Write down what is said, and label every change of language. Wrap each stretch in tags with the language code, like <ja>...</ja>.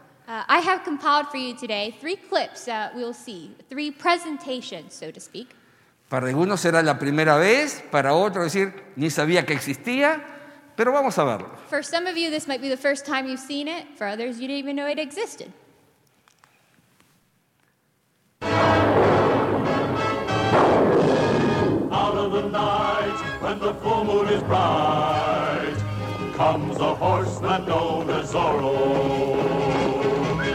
<en>I have compiled for you today three clips that we'll see, three presentations, so to speak.</en> <es>Para algunos será la primera vez, para otros decir, ni sabía que existía, pero vamos a verlo.</es> <en>For some of you, this might be the first time you've seen it. For others, you didn't even know it existed. Out of the night, when the full moon is bright, comes a horseman known as Zorro.</en>